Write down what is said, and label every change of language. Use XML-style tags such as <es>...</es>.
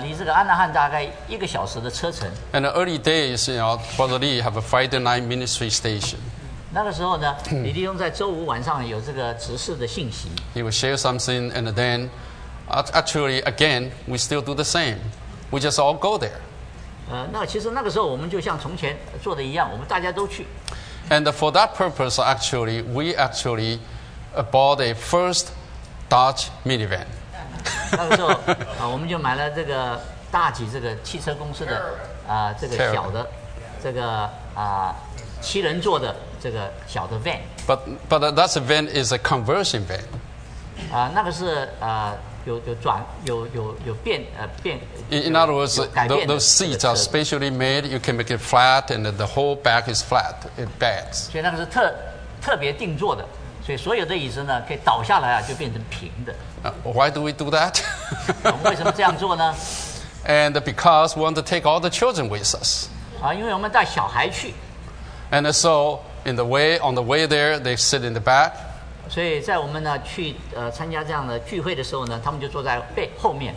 <zh>离这个安娜汉大概一个小时的车程。</zh> <en>And the early days, you know, Brother Lee have a Friday night ministry station.</en> <zh>那个时候呢，李弟兄在周五晚上有这个执事的信息。</zh> <en>He will share something, and then, actually, again, we still do the same. We just all go there.</en> <zh>那其实那个时候我们就像从前做的一样，我们大家都去。</zh> <en>And for that purpose, actually, we actually bought a first Dodge minivan.</en> <zh>那个时候，我们就买了这个大吉这个汽车公司的这个小的这个七人座的这个小的 van.</zh> <en>But that van is a conversion van.</en> <zh>那个是有变</zh> <en>in other words, those seats are specially made. You can make it flat, and the whole back is flat. It bends.</en> <zh>所以那个是特别定做的，所以所有的椅子呢，可以倒下来啊，就变成平的。</zh> <en>Why do we do that?</en> <zh>我们为什么这样做呢</zh> <en>？And because we want to take all the children with us.</en> <zh>因为我们带小孩去。</zh> <en>And so in the way on the way there, they sit in the back.</en> <zh>所以在我们呢去参加这样的聚会的时候呢，他们就坐在背后面。</zh>